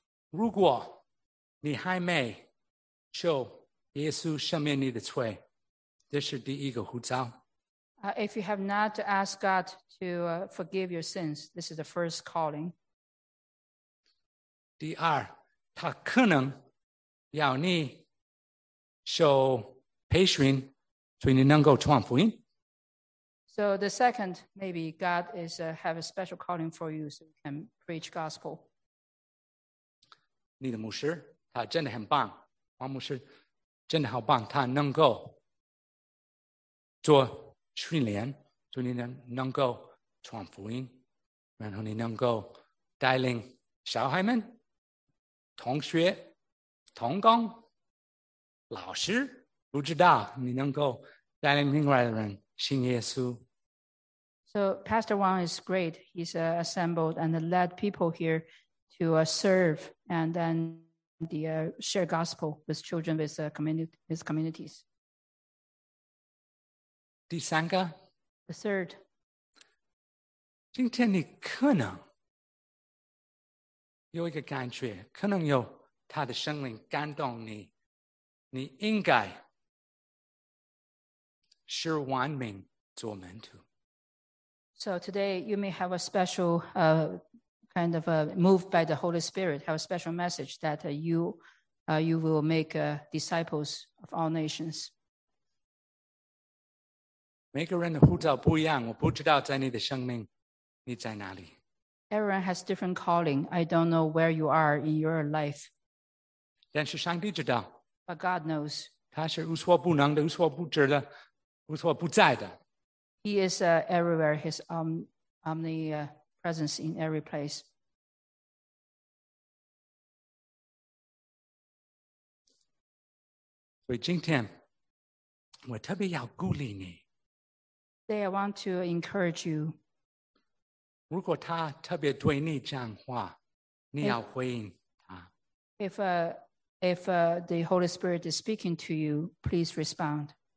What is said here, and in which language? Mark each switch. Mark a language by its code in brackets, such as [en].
[zh] 如果你还没求耶稣赦免你的罪，这是第一个呼召。 [en] If you have not asked God to forgive your sins, this is the first calling. [zh] 第二，他可能要你受培训，所以你能够传福音。 [en] So the second, maybe God is have a special calling for you, so you can preach gospel. [zh] 你的牧师他真的很棒，王牧师真的好棒，他能够做训练，所以你能够传福音，然后你能够带领小孩们同学、同工、老师，不知道你能够带领另外的人信耶稣。 [en] So Pastor Wang is great. He's assembled and led people here to serve and then the share gospel with children with his communities. [zh] 第三个。 [en] The third. [zh] 今天你可能有一个感觉，可能有他的圣灵感动你，你应该是完美做门徒。 [en] So today you may have a special kind of a move by the Holy Spirit, have a special message that you will make disciples of all nations. [zh] 每个人的呼召不一样，我不知道在你的生命你在哪里。 [en] Everyone has different calling. I don't know where you are in your life. [zh] 但是上帝知道。 [en] But God knows. [zh] 他是无所不能的，无所不知的，无所不在的。 [en] He is everywhere. His omnipresence in every place. [zh] 所以今天我特别要鼓励你。 [en] Today I want to encourage you. [zh] 如果他特别对你讲话，你要回应他。 [en] If the Holy Spirit is speaking to you, please respond.